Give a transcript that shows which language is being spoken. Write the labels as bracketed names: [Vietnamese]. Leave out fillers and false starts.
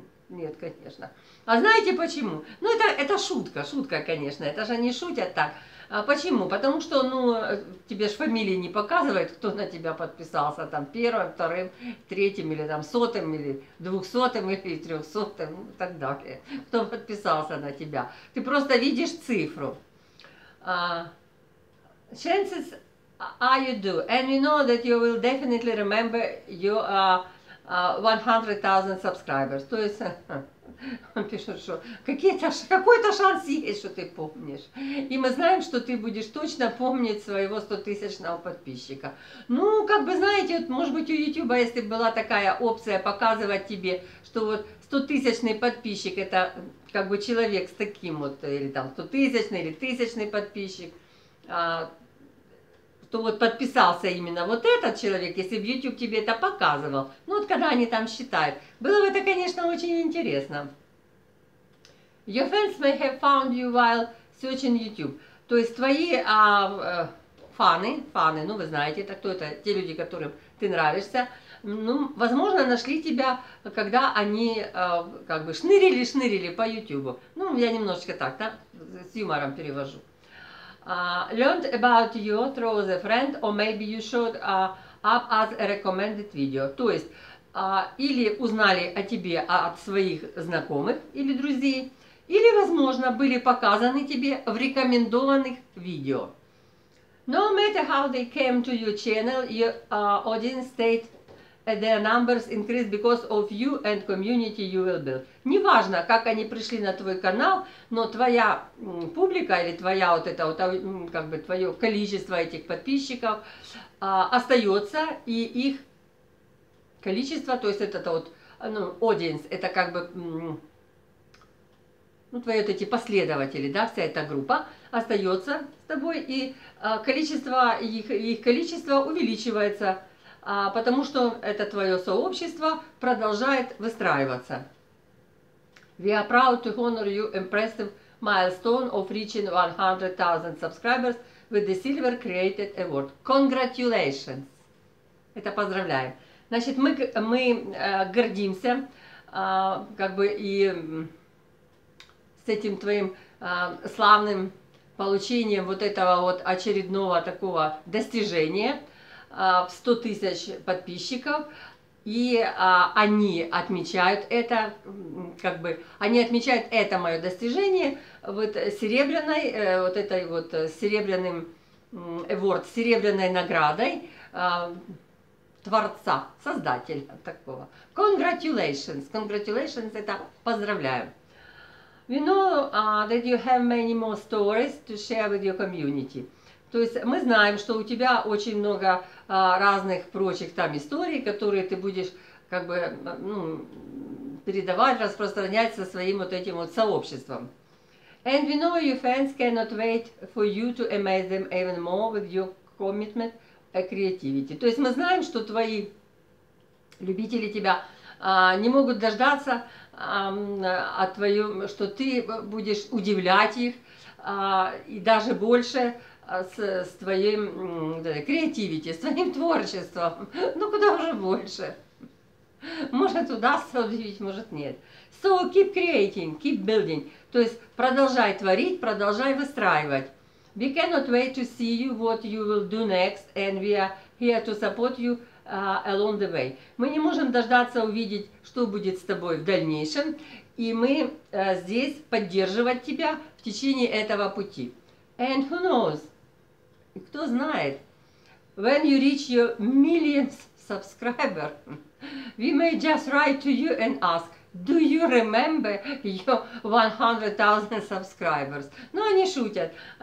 [Russian] Нет, конечно. А знаете почему? Ну, это шутка, конечно. Это же они шутят так. А почему? Потому что, ну, тебе же фамилии не показывают, кто на тебя подписался, там, первым, вторым, третьим, или там, сотым, или двухсотым, или трехсотым, ну, и так далее. Кто подписался на тебя. Ты просто видишь цифру. [English] Chances are you do, and you know that you will definitely remember your 100,000 subscribers. [Russian] То есть... Он пишет, что какой-то шанс есть, что ты помнишь. И мы знаем, что ты будешь точно помнить своего 100-тысячного подписчика. Ну, как бы, знаете, вот, может быть, у YouTube, если бы была такая опция показывать тебе, что вот 100-тысячный подписчик, это как бы человек с таким вот, или там 100-тысячный, или тысячный подписчик, то вот подписался именно вот этот человек, если бы YouTube тебе это показывал. Ну вот когда они там считают. Было бы это, конечно, очень интересно. [English] Your fans may have found you while searching YouTube. [Russian] То есть твои фаны, ну вы знаете, это кто это, те люди, которым ты нравишься, ну, возможно, нашли тебя, когда они как бы шнырили по YouTube. Ну, я немножечко так, да, с юмором перевожу. [English] Learned about you through the friend, or maybe you showed up as a recommended video. [Russian] То есть, или узнали о тебе от своих знакомых или друзей, или, возможно, были показаны тебе в рекомендованных видео. [English] No matter how they came to your channel, your audience state their numbers increased because of you and community you will build. [Russian] Неважно, как они пришли на твой канал, но твоя публика или твоя вот это вот, как бы твое количество этих подписчиков остается, и их количество, то есть это вот, ну, audience, это как бы, ну, твои вот эти последователи, да, вся эта группа остается с тобой, и количество их количество увеличивается. Потому что это твое сообщество продолжает выстраиваться. [English] We are proud to honor you impressive milestone of reaching 100,000 subscribers with the Silver Created Award. Congratulations! [Russian] Это поздравляем. Значит, мы гордимся как бы и с этим твоим славным получением вот этого вот очередного такого достижения в 100 тысяч подписчиков, и они отмечают это, как бы, они отмечают это мое достижение вот серебряной, вот этой вот серебряным award, серебряной наградой творца, создателя такого. [English] Congratulations, [Russian] это поздравляю. [English] We know that you have many more stories to share with your community. [Russian] То есть мы знаем, что у тебя очень много разных прочих там историй, которые ты будешь как бы, ну, передавать, распространять со своим вот этим вот сообществом. [English] And we know your fans cannot wait for you to amaze them even more with your commitment and creativity. [Russian] То есть мы знаем, что твои любители тебя не могут дождаться, что ты будешь удивлять их и даже больше с твоим креативити, с твоим творчеством. Ну, куда уже больше. Может, удастся удивить, может, нет. [English] So, keep creating, keep building. [Russian] То есть, продолжай творить, продолжай выстраивать. [English] We cannot wait to see you, what you will do next, and we are here to support you along the way. [Russian] Мы не можем дождаться увидеть, что будет с тобой в дальнейшем, и мы здесь поддерживать тебя в течение этого пути. [English] And who knows? [Russian] Кто знает, [English] when you reach your millionth subscriber, we may just write to you and ask, do you remember your 100,000 subscribers? [Russian] Ну, они шутят.